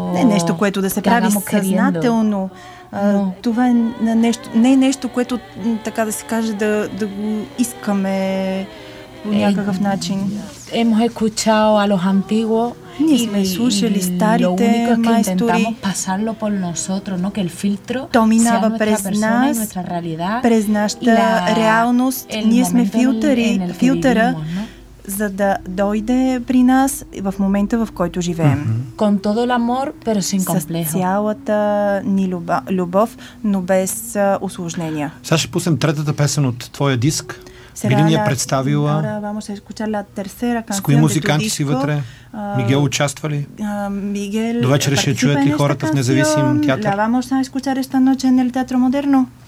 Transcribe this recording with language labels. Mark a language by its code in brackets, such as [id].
[es] No es algo que se haga desde la [bg] Това е нещо, не е нещо, което, така да се каже, да го искаме по някакъв начин. [es] Hemos escuchado a los antiguos. [bg] Ние сме слушали старите майстори. [es] Pasarlo por nosotros, no? Que el filtro [bg] то минава през нас, през нашата реалност. Ние сме филтъра, за да дойде при нас в момента, в който живеем. [es] Con todo el amor, pero sin complejo. [bg] С цялата ни любов, но без осложнения. Сега ще пусем третата песен от твоя диск. Мили ни е представила с кои музиканти си вътре. Мигел участва ли? До вечера ще чуете хората в независим театър. [es] La vamos a escuchar esta noche en el Teatro Moderno.